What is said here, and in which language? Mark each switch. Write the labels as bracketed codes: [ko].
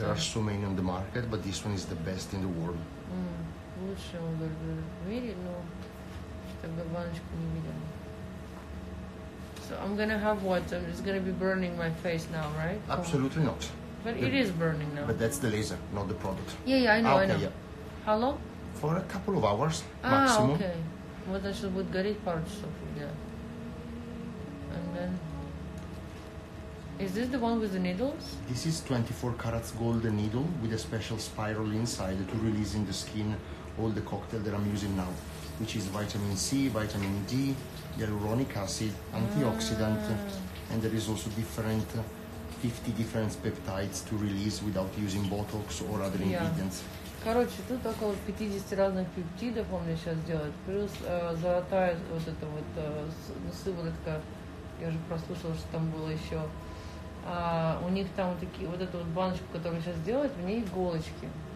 [en] There are so many on the market, but this one is the best in the world. [ru] Лучше он в мире, но чтобы баночку не видела. [en] So I'm gonna have what? It's gonna be burning my face now, right? Absolutely not. But it is burning now. But that's the laser, not the product. Yeah, I know. Okay, I know. Yeah. How long? For a couple of hours, maximum. Okay. [ru] Вот значит будет гореть пару часов, да. [en] And then... Is this the one with the needles? This is 24 carats gold needle with a special spiral inside to release in the skin all the cocktail that I'm using now, which is vitamin C, vitamin D, hyaluronic acid, antioxidant, and there is also different 50 different peptides to release without using Botox or other ingredients. [ru] Короче, тут около 50 разных пептидов он мне сейчас делает, плюс золотая вот эта вот сыворотка, я уже прослушала, что там было еще. У них там вот такие, вот эту вот баночку, которую сейчас делают, в ней иголочки.